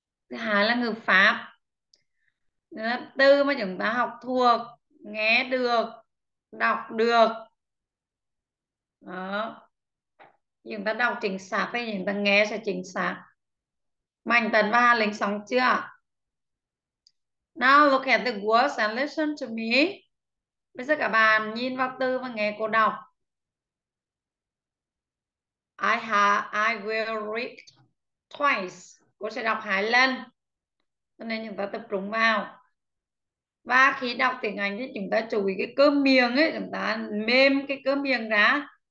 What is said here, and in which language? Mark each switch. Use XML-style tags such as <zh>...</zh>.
<vi>Thứ hai là ngữ pháp. Là từ mà chúng ta học thuộc, nghe được, đọc được. Đó. Chúng ta đọc chính xác thì chúng ta nghe sẽ chính xác. Mạnh Tấn và Hà Linh xong chưa?</vi> <en>Now look at the words and listen to me.</en> <vi>Bây giờ các bạn nhìn vào từ và nghe cô đọc.</vi> <en>I will read twice.</en> <vi>Cô sẽ đọc hai lần. Cho nên chúng ta tập trung vào. Và khi đọc tiếng Anh thì chúng ta chú ý cái cơ miệng ấy, chúng ta mềm cái cơ miệng ra.</vi>